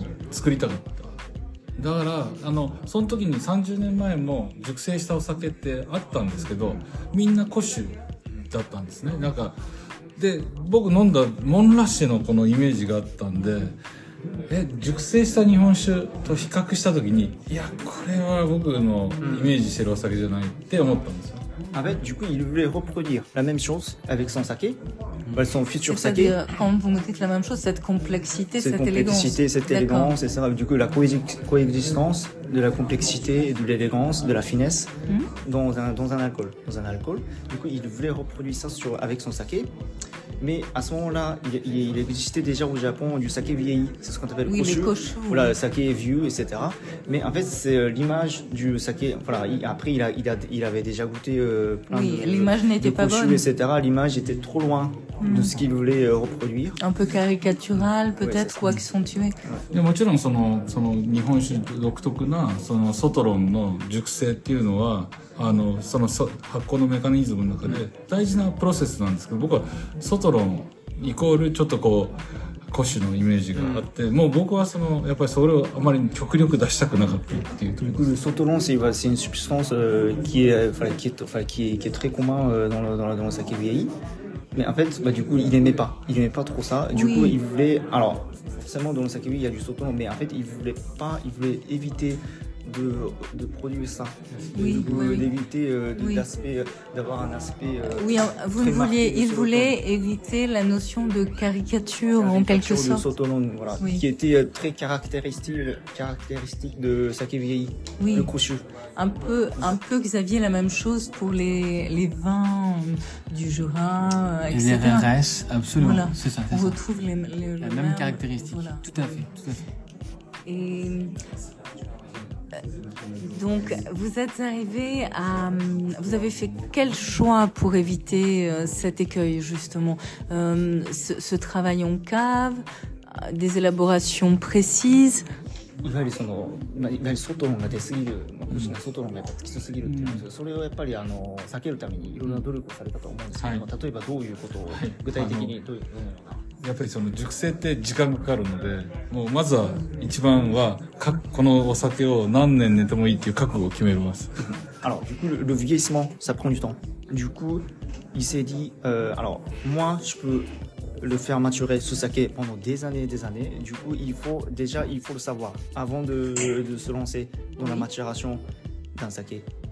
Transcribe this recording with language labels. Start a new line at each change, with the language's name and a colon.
Japanese: だからあのその時に30年前も熟成したお酒ってあったんですけど、みんな古酒だったんですね。なんかで僕飲んだモンラッシュのこのイメージがあったんで、え熟成した日本酒と比較した時に、いやこれは僕のイメージしてるお酒じゃないって思ったんですよ。
French: En fait, du coup, il voulait reproduire la même chose avec son saké, son futur saké. C'est-à-dire, quand vous me dites la même chose, cette complexité, cette élégance. Cette élégance, et ça, du coup, la coexistence de la complexité, de l'élégance, de la finesse dans un alcool. Du coup, il voulait reproduire ça avec son saké. Mais à ce moment-là, il existait déjà au Japon du saké vieilli, c'est ce qu'on appelle koshu. Voilà, le saké vieux, etc. Mais en fait, c'est l'image du saké. Voilà, après, il avait déjà goûté plein de l'image n'était pas bonne, etc. L'image était trop loin de ce qu'il voulait reproduire. Un peu caricatural, peut-être, ouais, quoi accentué. Mais bien sûr,
Japanese: その日本酒独特なそのソトロンの熟成っていうのは。あのその発酵のメカニズムの中で大事なプロセスなんですけど、僕はソトロンイコールちょっとこう古酒のイメージがあって、もう僕はそのやっぱりそれをあまり極力出したくなかったっていうところです。
French: ソトロンは、c'est une substance qui est très commun dans le saké vieilli。 Mais en fait, bah, du coup, il aimait pas. Il aimait pas trop ça. Du coup, il voulait. Alors, forcément, dans le saké vieilli, il y a du soton, mais en fait, il voulait pas. Il voulait éviter de produire ça. D'éviter l'aspect, d'avoir un aspect. Oui, vous très vouliez. Il voulait éviter la notion de caricature, en quelque sorte. La caricature du soton, voilà. Oui. Qui était très caractéristique de saké vieilli, le koshu. Un peu, Xavier, la même chose pour les vins du Jura, etc. Les RRS, absolument, voilà. C'est ça. C'est on retrouve ça. La même caractéristique, voilà. Tout à fait. Et donc, vous êtes arrivé à... Vous avez fait quel choix pour éviter cet écueil, justement, ce travail en cave, des élaborations précises?
Japanese: やはりその外論が出すぎる、まあ、個人の外論がやっぱきつすぎるっていうんですけど、それをやっぱりあの避けるためにいろんな努力をされたと思うんですけど、はい、例えばどういうことを具体的にどういうような、やっぱりその熟成って時間がかかるので、もうまずは一番はこのお酒を何年寝てもいいっていう覚悟を決めます。
French: あの、du coup, le vieillissement, ça prend du temps. Du coup, il s'est dit, alors, moi, je peux... le faire maturer ce saké pendant des années, du coup il faut le savoir avant de se lancer dans la maturation d'un saké.